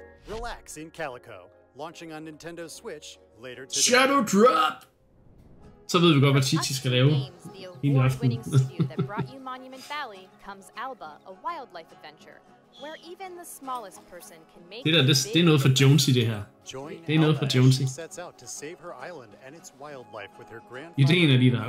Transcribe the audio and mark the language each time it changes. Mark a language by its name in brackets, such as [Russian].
[English] Relax in Calico, launching on Nintendo Switch later today. Shadow Drop! [Danish] Så ved vi godt, hvad Chichi skal lave i aften. [English] That brought you Monument Valley comes Alba, a wildlife adventure where even the smallest person can make. [Danish] Det der, det er noget for Jonesy, det her. Det er noget for Jonesy. [English] She sets out to save her island and its wildlife with her grandfather.